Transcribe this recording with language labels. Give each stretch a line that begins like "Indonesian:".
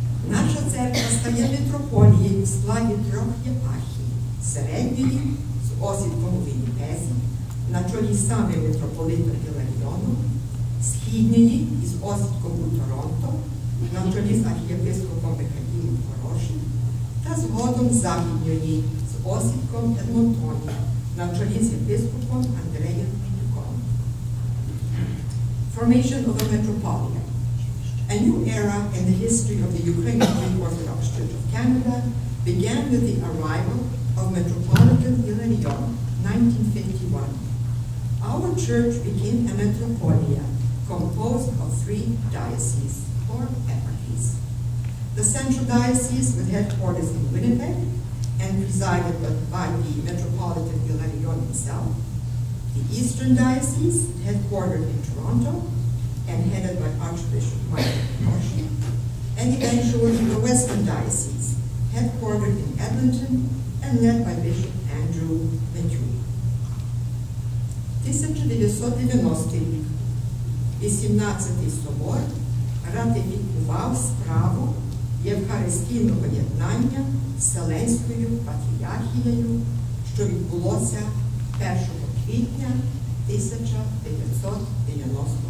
Ukrainian: Наша церква стає митрополією в складі трьох єпархій – середньої з осідком у Вінітезі, на чолі саме митрополита Ілларіону, східньої із осідком у Торонто, на чолі з архієпископом Михайлом Хорошим, та згодом західньої з осідком Едмонтонія, на чолі з єпископом Андреєм Пітюком.
English: Formation of a Metropolia. A new era in the history of the Ukrainian Greek Orthodox Church of Canada began with the arrival of Metropolitan Ilarion, 1951. Our church became a metropolia composed of three dioceses, or eparchies. The central diocese with headquarters in Winnipeg and presided by the Metropolitan Ilarion himself, the eastern diocese headquartered in Toronto and headed by Archbishop Michael Hoshin, and eventually the Western Diocese, headquartered in Edmonton and led by Bishop Andrew McHugh.
Ukrainian: 1990 рік 18-й собор ратифікував справу євхаристійного єднання з Вселенською Патріархією, що відбулося 1 квітня 1990 року.